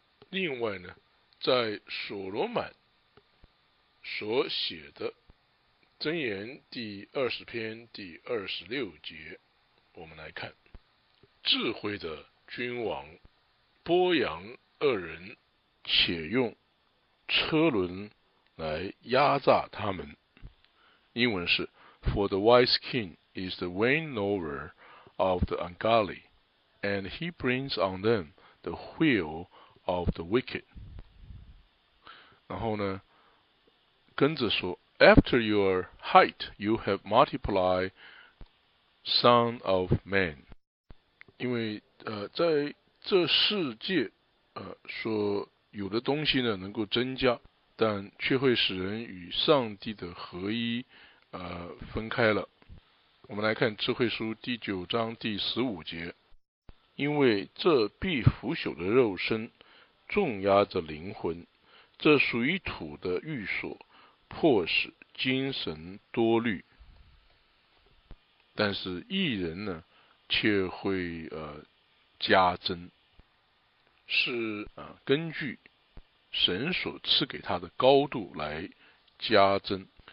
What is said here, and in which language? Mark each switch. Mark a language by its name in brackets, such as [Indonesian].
[Chinese] 另外呢，在所罗门所写的箴言第二十篇第二十六节，我们来看，智慧的君王剥扬恶人，且用车轮来压榨他们。英文是 [English] For the wise king is the winnower of the ungodly, and he brings on them the wheel of the wicked. [Chinese] 然后呢，跟着说， [English] After your height, you have multiplied son of man. [Chinese] 因为在这世界所有的东西呢能够增加，但却会使人与上帝的合一分开了。我们来看智慧书第九章第十五节，因为这必腐朽的肉身重压着灵魂，这属于土的寓所迫使精神多虑，但是义人呢却会加增，是根据神所赐给他的高度来加增。